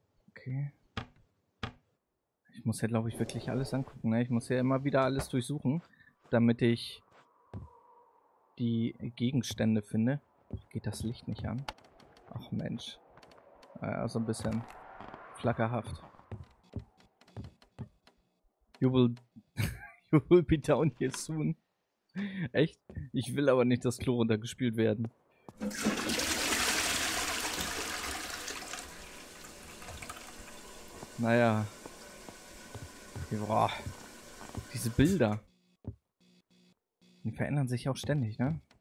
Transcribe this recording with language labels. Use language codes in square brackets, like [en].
[de] Okay. Ich muss ja, glaube ich, wirklich alles angucken. Ne? Ich muss ja immer wieder alles durchsuchen, damit ich die Gegenstände finde. Geht das Licht nicht an? Ach Mensch. So ein bisschen flackerhaft. [en] You will be down here soon. [de] Echt? Ich will aber nicht, dass Klo runtergespült werden. Naja. Okay, boah. Diese Bilder. Die verändern sich auch ständig, ne?